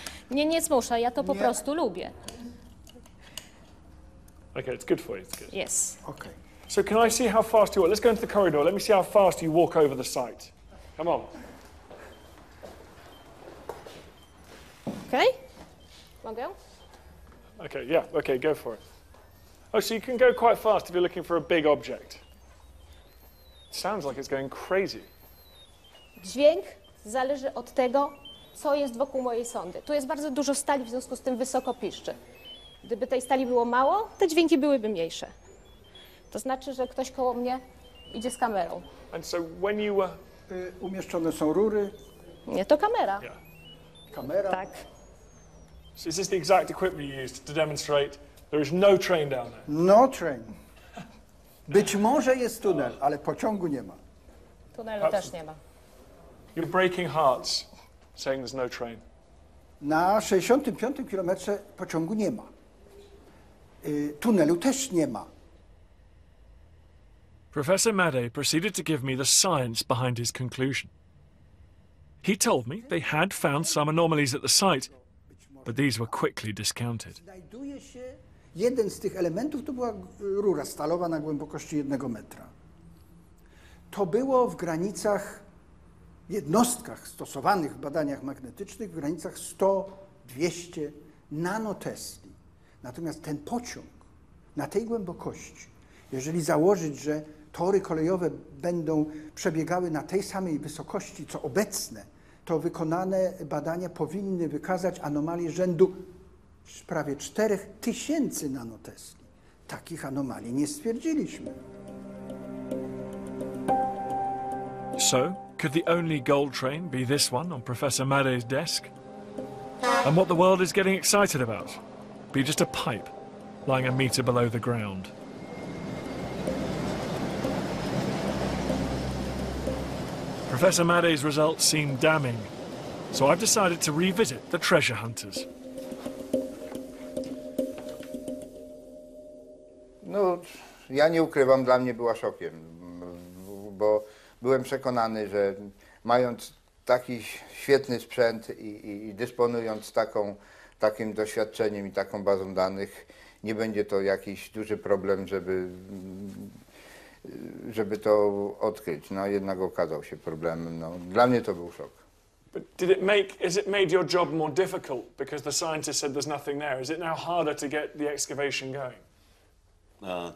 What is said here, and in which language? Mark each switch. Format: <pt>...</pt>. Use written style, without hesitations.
<pl>Mnie nie zmusza, ja to po prostu lubię.</pl> <en>Okay, it's good for you, it's good. Yes. Okay. So can I see how fast you are? Let's go into the corridor, let me see how fast you walk over the site. Come on.</en> <pl>Okay. Mogę?</pl> <en>Okay, yeah, okay, go for it. Oh, so you can go quite fast if you're looking for a big object. Sounds like it's going crazy.</en> <pl>Dźwięk zależy od tego, co jest wokół mojej sondy. Tu jest bardzo dużo stali, w związku z tym wysoko piszczy. Gdyby tej stali było mało, te dźwięki byłyby mniejsze. To znaczy, że ktoś koło mnie idzie z kamerą.</pl> <en>And so when you were...</en> <pl>Umieszczone są rury. Nie, to kamera.</pl> <en>Yeah.</en> <pl>Kamera. Tak.</pl> <en>So is this the exact equipment you used to demonstrate there is no train down there? No train.</en> <pl>Być może jest tunel, ale pociągu nie ma. Tunelu</pl> <en>Perhaps</en> <pl>też nie ma.</pl> <en>You're breaking hearts, saying there's no train.</en> <pl>Na 65. kilometrze pociągu nie ma. Tunelu też nie ma.</pl> <en>Professor Madej proceeded to give me the science behind his conclusion. He told me they had found some anomalies at the site, but these were quickly discounted.</en> <pl>Znajduje się jeden z tych elementów, to była rura stalowa na głębokości jednego metra. To było w granicach, jednostkach stosowanych w badaniach magnetycznych, w granicach 100-200 nanotesli. Natomiast ten pociąg na tej głębokości, jeżeli założyć, że tory kolejowe będą przebiegały na tej samej wysokości, co obecne, to wykonane badania powinny wykazać anomalie rzędu prawie 4000 nanotesli. Takich anomalii nie stwierdziliśmy.</pl> <en>So, could the only gold train be this one on Professor Madej's desk? And what the world is getting excited about? Be just a pipe lying a meter below the ground. Professor Madej's results seem damning, so I've decided to revisit the treasure hunters.</en> <pl>No, ja nie ukrywam, dla mnie była szokiem, bo byłem przekonany, że mając taki świetny sprzęt i dysponując takim doświadczeniem i taką bazą danych, nie będzie to jakiś duży problem, żeby to odkryć. No, jednak okazał się problemem. No, dla mnie to był szok.</pl> <en>But did it make, has it made your job more difficult because the scientist said there's nothing there? Is it now harder to get the excavation going?</en>